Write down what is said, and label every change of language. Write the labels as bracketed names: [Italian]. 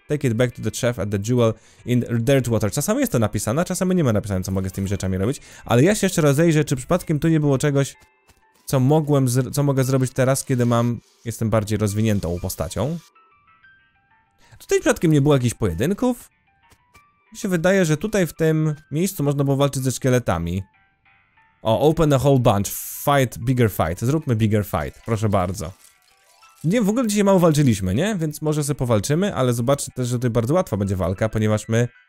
[English] Take it back to the chef at the Jewel in Dirtwater. [Polish] Czasami jest to napisane, czasami nie ma napisane, co mogę z tymi rzeczami robić. Ale ja się jeszcze rozejrzę, czy przypadkiem tu nie było czegoś, co mogę zrobić teraz, kiedy jestem bardziej rozwiniętą postacią. Tutaj przypadkiem nie było jakichś pojedynków? Mi się wydaje, że tutaj w tym miejscu można było walczyć ze szkieletami. [English] O, open a whole bunch, fight, bigger fight. [Polish] Zróbmy bigger fight, proszę bardzo. Nie, w ogóle dzisiaj mało walczyliśmy, nie? Więc może sobie powalczymy, ale zobaczcie też, że tutaj bardzo łatwa będzie walka, ponieważ my...